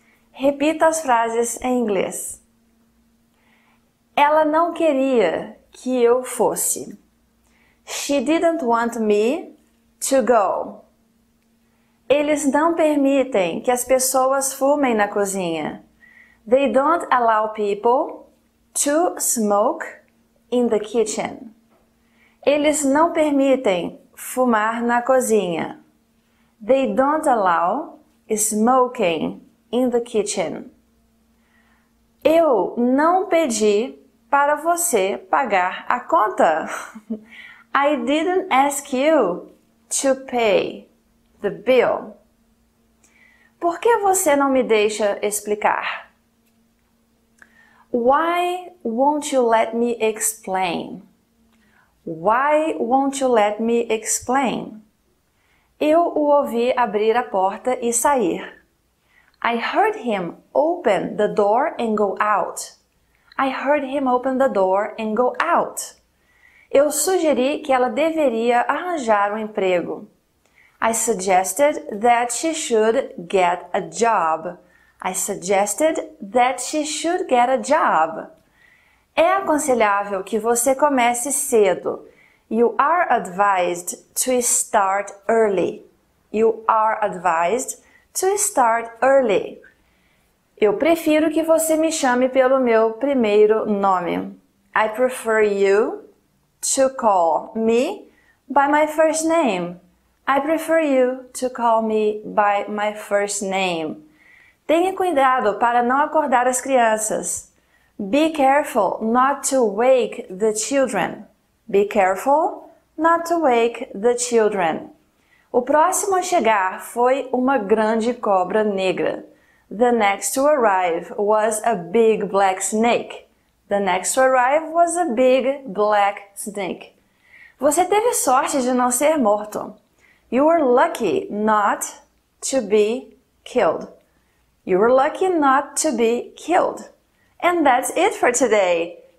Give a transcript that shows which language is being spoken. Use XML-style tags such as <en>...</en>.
<pt>Repita as frases em inglês. Ela não queria que eu fosse.</pt> <en>She didn't want me to go.</en> <pt>Eles não permitem que as pessoas fumem na cozinha.</pt> <en>They don't allow people to smoke in the kitchen.</en> <pt>Eles não permitem fumar na cozinha.</pt> <en>They don't allow smoking in the kitchen.</en> <pt>Eu não pedi para você pagar a conta.</pt> <en>I didn't ask you to pay the bill.</en> <pt>Por que você não me deixa explicar?</pt> <en>Why won't you let me explain? Why won't you let me explain?</en> <pt>Eu o ouvi abrir a porta e sair.</pt> <en>I heard him open the door and go out. I heard him open the door and go out.</en> <pt>Eu sugeri que ela deveria arranjar um emprego.</pt> <en>I suggested that she should get a job. I suggested that she should get a job.</en> <pt>É aconselhável que você comece cedo.</pt> <en>You are advised to start early. You are advised to start early.</en> <pt>Eu prefiro que você me chame pelo meu primeiro nome.</pt> <en>I prefer you to call me by my first name. I prefer you to call me by my first name.</en> <pt>Tenha cuidado para não acordar as crianças.</pt> <en>Be careful not to wake the children. Be careful not to wake the children.</en> <pt>O próximo a chegar foi uma grande cobra negra.</pt> <en>The next to arrive was a big black snake. The next to arrive was a big black snake.</en> <pt>Você teve sorte de não ser morto.</pt> <en>You were lucky not to be killed. You were lucky not to be killed. And that's it for today.</en>